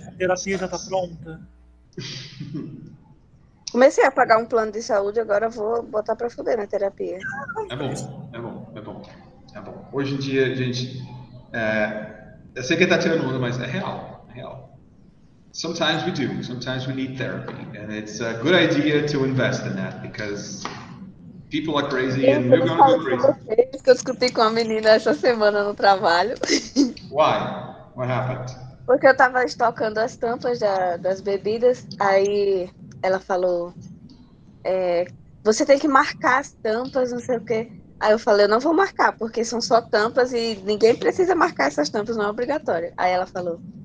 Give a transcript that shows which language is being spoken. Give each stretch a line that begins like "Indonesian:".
Portuguese: A terapia já tá pronta. Comecei a pagar um plano de saúde, agora vou botar pra fuder na terapia. É bom. Hoje em dia, gente... eu sei que tá tirando onda, mas é real.
English: Sometimes we do. Sometimes we need therapy. And it's a good idea to invest in that because people are crazy and we're going to go crazy.
Portuguese: Eu escutei com uma menina essa semana no trabalho.
English: Why? What happened?
Portuguese: Porque eu tava estocando as tampas das bebidas. Aí ela falou, você tem que marcar as tampas, não sei o quê. Aí eu falei, eu não vou marcar porque são só tampas e ninguém precisa marcar essas tampas, não é obrigatório. Aí ela falou...